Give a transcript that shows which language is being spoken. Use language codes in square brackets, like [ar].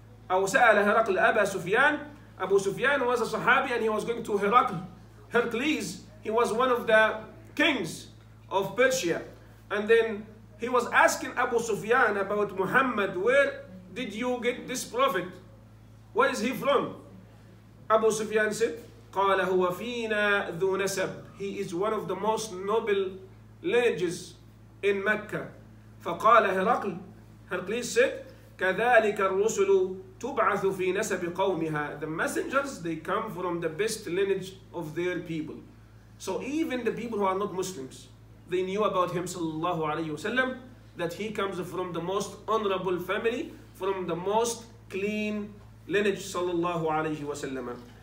[ar] أو سأل هرقل أبا سفيان. [en] أبو سفيان was a Sahabi and he was going to Heracles. He was one of the kings of Persia. And then he was asking Abu Sufyan about Muhammad, where did you get this prophet? Where is he from? Abu Sufyan said, [ar] قال هو فينا ذو نسب. [en] He is one of the most noble lineages in Mecca. [ar] فقال هرقل, [en] Heracles said, [ar] كذلك الرسل تبعث في نسب قومها. [en] The messengers, they come from the best lineage of their people. So even the people who are not Muslims, they knew about him sallallahu alayhi wa sallam, that he comes from the most honorable family, from the most clean lineage sallallahu alayhi wa sallam.